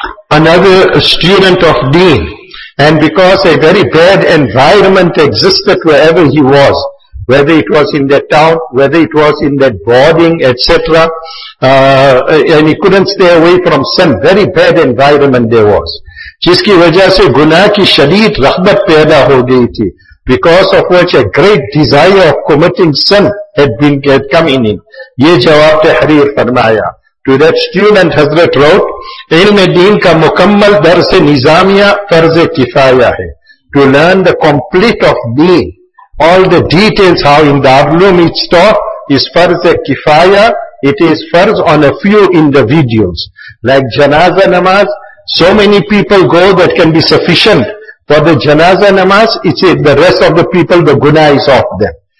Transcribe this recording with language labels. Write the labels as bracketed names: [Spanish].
[English] Another student of deen, and because a very bad environment existed wherever he was, whether it was in that town, whether it was in that boarding, etc., and he couldn't stay away from some very bad environment there was. [Urdu] جس کی وجہ سے گناہ کی شدید رغبت پیدا ہو گئی تھی. [English] Because of which a great desire of committing sin had come in him. [Urdu] یہ جواب تحریر فرمایا. [English] To that student [Urdu] حضرت [English] wrote, [Urdu] علم دین کا مکمل درس نظامیہ فرض کفایہ ہے. [English] To learn the complete of deen, all the details how in the علوم it's taught is فرض کفایہ. It is فرض on a few individuals. Like janaza namaz, so many people go that can be sufficient. For the janaza namaz, it's the rest of the people, the guna is off them.